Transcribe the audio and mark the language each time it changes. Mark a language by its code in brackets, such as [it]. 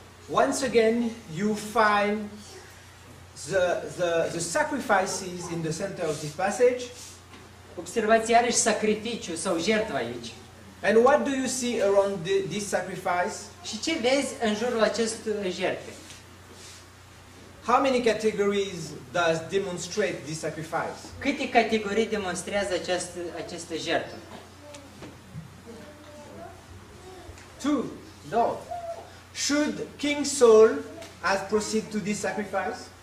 [en] Once again, you find the sacrifices in the center of this passage. [ro] Observați iarăși sacrificiu sau jertfă aici. [en] And what do you see around this sacrifice? [ro] Și ce vezi în jurul acestui jertfe? [en] How many categories does demonstrate this sacrifice? [ro] Câte categorii demonstrează această jertfă? [en] Two. [ro] Două. [en] Should King Saul have proceeded to this sacrifice?